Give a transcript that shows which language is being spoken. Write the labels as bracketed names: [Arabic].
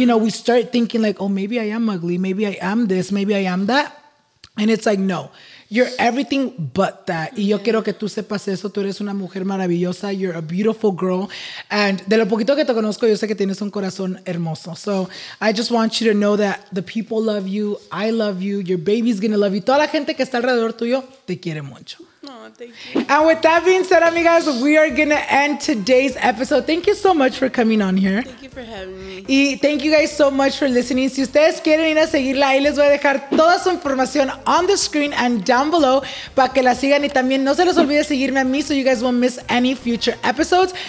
[English] You know, we start thinking like, oh, maybe I am ugly, maybe I am this, maybe I am that. And it's like, no, you're everything but that. [Spanish] Y yo quiero que tú sepas eso. Tú eres una mujer maravillosa. [English] You're a beautiful girl. And [Spanish] de lo poquito que te conozco, yo sé que tienes un corazón hermoso. [English] So I just want you to know that the people love you. I love you. Your baby's going to love you. [Spanish] Toda la gente que está alrededor tuyo te quiere mucho. [English] And with that being said, [Spanish] amigas, [English] we are going to end today's episode. Thank you so much for coming on here. Thank you for having me. Y thank you guys so much for listening. [Spanish] Si ustedes quieren ir a seguirla, ahí les voy a dejar toda su información [English] on the screen and down below [Spanish] para que la sigan. Y también no se les olvide seguirme a mí, [English] so you guys won't miss any future episodes.